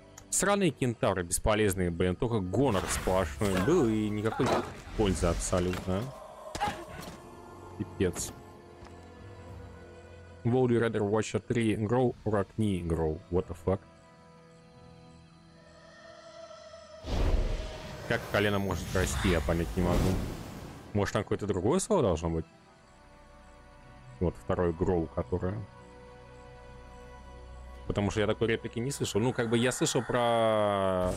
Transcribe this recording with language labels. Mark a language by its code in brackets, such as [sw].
[ru] Сраные кентавры бесполезные, блин, только гонор сплошной был и никакой пользы абсолютно. Пипец. [en] Would you rather watch a tree grow or a knee grow? What the fuck? [ru] Как колено может расти, я понять не могу. Может, там какое-то другое слово должно быть? Вот второе grow, которое. Потому что я такой реплики не слышал. Ну, как бы я слышал про...